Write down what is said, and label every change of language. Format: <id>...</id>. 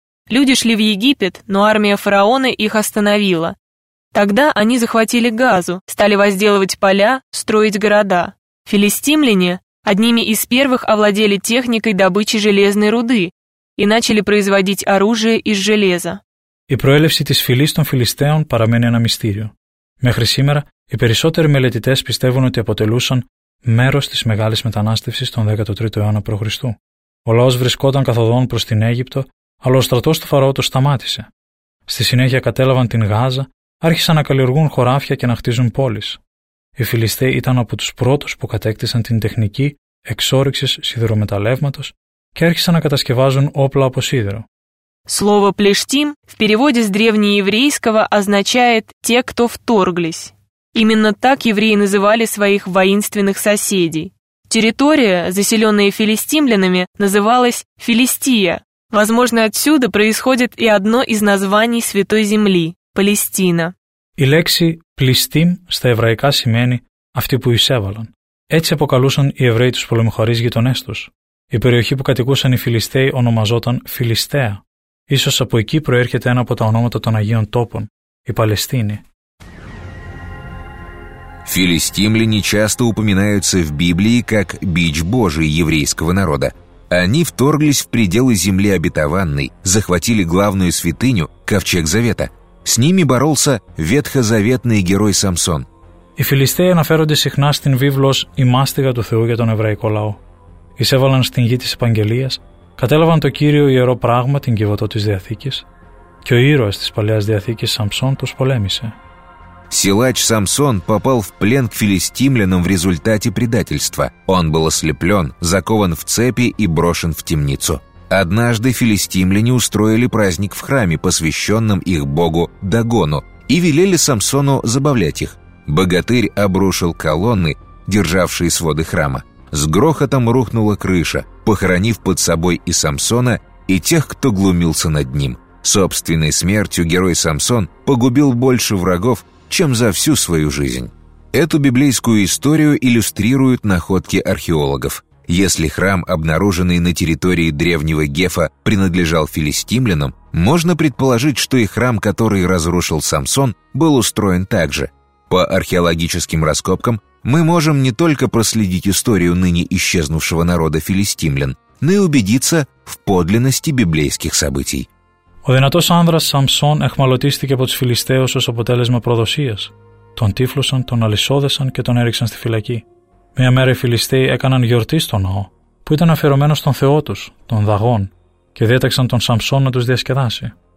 <ru>Люди шли в Египет, но армия фараона их остановила. Тогда они захватили Газу, стали возделывать поля, строить города. Филистимляне одними из первых овладели техникой добычи железной руды и начали производить оружие из железа.</ru> <el>Η προέλευση της φυλής των Φιλιστέων παραμένει ένα μυστήριο. Μέχρι σήμερα, οι περισσότεροι μελετητές πιστεύουν ότι αποτελούσαν μέρος της μεγάλης μετανάστευσης των 13ο αιώνα π.Χ. Ο λαός βρισκόταν καθοδόν προς την Αίγυπτο, αλλά ο στρατός του Φαραώ το σταμάτησε. Στη συνέχεια κατέλαβαν την Γάζα, άρχισαν να καλλιεργούν χωράφια και να χτίζουν πόλεις. Οι Φιλιστέοι ήταν από τους πρώτους που κατέκτησαν την τεχνική εξόρυξης σιδηρομεταλλεύματος και άρχισαν να κατασκευάζουν όπλα από σίδηρο.</el> <ru>Слово «плештим» в переводе с древнееврейского означает «те, кто вторглись». Именно так евреи называли своих воинственных соседей. Территория, заселенная филистимлянами, называлась Филистия. Возможно, отсюда происходит и одно из названий Святой Земли – Палестина.</ru> <el>Η λέξη «плештим» στα εβραϊκά σημαίνει «αυτοί που εισέβαλαν». Έτσι αποκαλούσαν οι Εβραίοι τους πολεμοχωρείς γειτονές τους. Η περιοχή που κατοικούσαν οι Φιλιστέοι ονομαζόταν Φιλιστέα. Ίσως από εκεί προέρχεται ένα από τα ονόματα των Αγίων Τόπων, η Παλαιστίνη.</el> <ru>Филистимляне часто упоминаются в Библии как бич Божий еврейского народа. Они вторглись в пределы земли обетованной, захватили главную святыню, Ковчег Завета. С ними боролся ветхозаветный герой Самсон.</ru> <el>Οι Φιλιστέοι αναφέρονται συχνά στην βίβλος «Η μάστιγα του Θεού για τον εβραϊκό λαό». Εισέβαλαν στην γη της Επαγγελίας, κατέλαβαν το κύριο ιερό πράγμα, την κυβωτό της Διαθήκης και ο ήρωας της Παλαιάς Διαθήκης Σαμσόν τους πολέμησε.</el> <ru>Силач Самсон попал в плен к филистимлянам в результате предательства. Он был ослеплен, закован в цепи и брошен в темницу. Однажды филистимляне устроили праздник в храме, посвященном их богу Дагону, и велели Самсону забавлять их. Богатырь обрушил колонны, державшие своды храма. С грохотом рухнула крыша, похоронив под собой и Самсона, и тех, кто глумился над ним. Собственной смертью герой Самсон погубил больше врагов, чем за всю свою жизнь. Эту библейскую историю иллюстрируют находки археологов. Если храм, обнаруженный на территории древнего Гефа, принадлежал филистимлянам, можно предположить, что и храм, который разрушил Самсон, был устроен так же. По археологическим раскопкам мы можем не только проследить историю ныне исчезнувшего народа филистимлян, но и убедиться в подлинности библейских событий.</ru> <el>Ο δυνατός άνδρας Σαμσόν εχμαλωτίστηκε από τους Φιλιστέους ως αποτέλεσμα προδοσίας. Τον τύφλωσαν, τον αλυσόδεσαν και τον έριξαν στη φυλακή. Μια μέρα οι Φιλιστέοι έκαναν γιορτή στο ναό, που ήταν αφιερωμένο στον θεό τους, τον Δαγόν, και διέταξαν τον Σαμσόν να τους διασκεδάσει.</el>